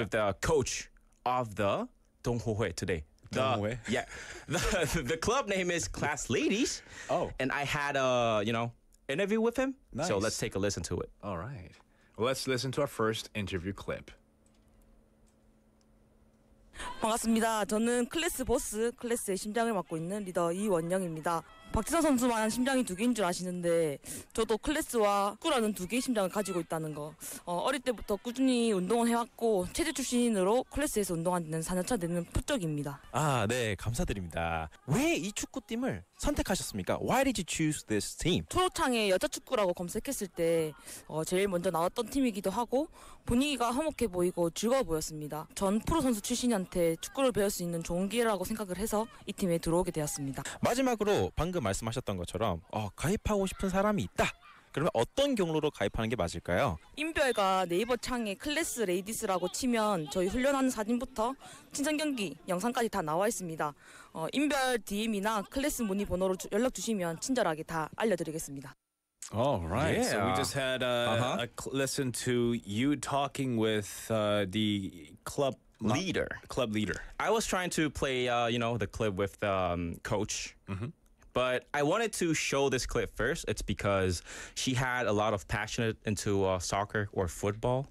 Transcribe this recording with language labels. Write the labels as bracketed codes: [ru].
[en] with the coach of the Donghohe today. Donghohe? Yeah. The club name is Class Ladies. Oh. And I had a, you know, interview with him. Nice. So let's take a listen to it. All right. Well, let's listen to our first interview clip. [ko] 반갑습니다. 저는 클래스 보스, 클래스의 심장을 맡고 있는 리더 이원영입니다. 박지성 선수만 심장이 두 개인 줄 아시는데 저도 클래스와 축구라는 두 개의 심장을 가지고 있다는 거. 어릴 때부터 꾸준히 운동을 해왔고 체제 출신으로 클래스에서 운동한 지는 4년 차 되는 표적입니다. 아, 네, 감사드립니다. 왜 이 축구팀을 선택하셨습니까? [en] Why did you choose this team? [ko] 초록창에 여자 축구라고 검색했을 때 제일 먼저 나왔던 팀이기도 하고 분위기가 화목해 보이고 즐거워 보였습니다. 전 프로 선수 출신한테 축구를 배울 수 있는 좋은 기회라고 생각을 해서 이 팀에 들어오게 되었습니다. 마지막으로 방금 말씀하셨던 것처럼 가입하고 싶은 사람이 있다. 그러면 어떤 경로로 가입하는 게 맞을까요? 인별과 네이버 창에 클래스 레이디스라고 치면 저희 훈련하는 사진부터 친선 경기 영상까지 다 나와 있습니다. 인별 DM이나 클래스 문의 번호로 연락 주시면 친절하게 다 알려드리겠습니다. [en] All right. Yeah. So we just had a listen to you talking with the club leader. Club leader. I was trying to play, you know, the clip with the coach. Mm-hmm. But I wanted to show this clip first. It's because she had a lot of passion into soccer or football.